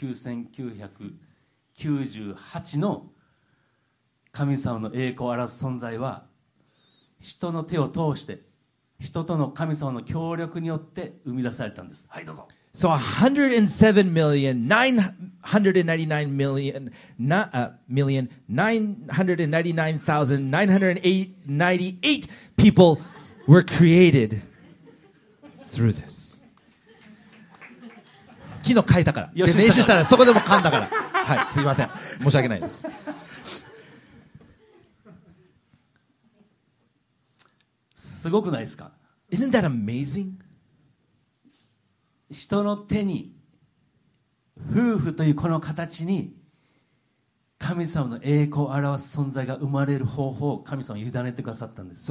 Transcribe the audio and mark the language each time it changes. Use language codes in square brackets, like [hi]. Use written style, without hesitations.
[ja] 1,079,998 の神様の栄光を表す存在は人の手を通して人との神様の協力によって生み出されたんです。はい、どうぞ。 [en] So 107,999,998 people were created through this. [ja] 昨日変えたから。よし、練習したらそこでも噛んだから。はい、すいません。申し訳ないです。すごくないですか? [en] Isn't that amazing? [ja] 人の手に、夫婦というこの形に、神様の栄光を表す存在が生まれる方法を神様に委ねてくださったんです。